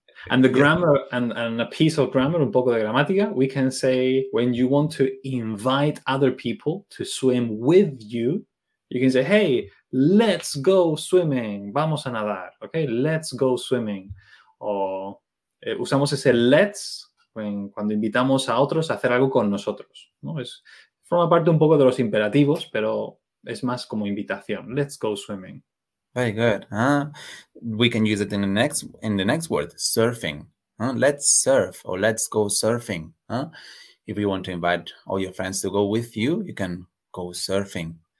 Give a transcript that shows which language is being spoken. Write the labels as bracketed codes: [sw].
[en] And the grammar and a piece of grammar, [es] un poco de gramática, [en] we can say when you want to invite other people to swim with you, you can say, hey, let's go swimming. [es] Vamos a nadar. [en] Okay, let's go swimming. [es] o usamos ese let's cuando invitamos a otros a hacer algo con nosotros, ¿no? Forma parte un poco de los imperativos, pero es más como invitación. [en] Let's go swimming. Very good. We can use it in the next word, surfing. Let's surf or let's go surfing. If you want to invite all your friends to go with you, you can go surfing.